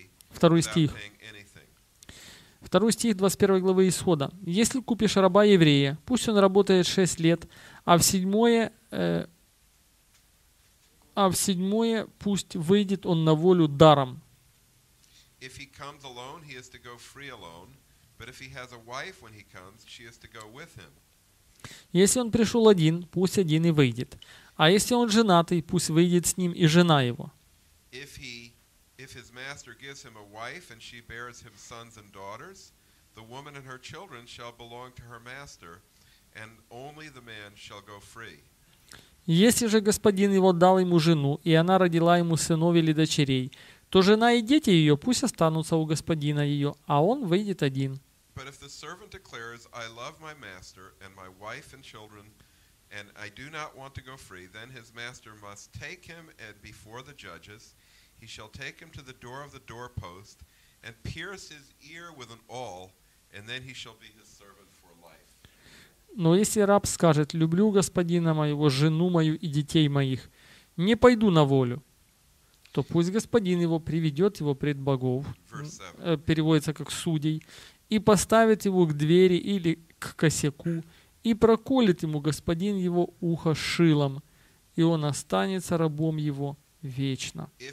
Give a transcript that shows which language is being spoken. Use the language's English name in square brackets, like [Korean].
[Russian] Второй стих 21 главы Исхода. «Если купишь раба еврея, пусть он работает 6 лет, а в седьмое пусть выйдет он на волю даром». [English] If he comes alone, he is to go free alone. But if he has a wife when he comes, she is to go with him. [Russian] Если он пришел один, пусть один и выйдет. А если он женатый, пусть выйдет с ним и жена его. [English] If his master gives him a wife and she bears him sons and daughters, the woman and her children shall belong to her master, and only the man shall go free. [Russian] Если же господин его дал ему жену, и она родила ему сынов или дочерей, то жена и дети ее пусть останутся у господина ее, а он выйдет один. [English] But if the servant declares, I love my master and my wife and children, and I do not want to go free, then his master must take him and before the judges, he shall take him to the door of the doorpost and pierce his ear with an awl, and then he shall be his servant for life. [Russian] Но если раб скажет, люблю господина моего, жену мою и детей моих, не пойду на волю, то пусть господин его приведет его пред богов, переводится как судей, и поставит его к двери или к косяку, и проколет ему господин его ухо шилом, и он останется рабом его вечно.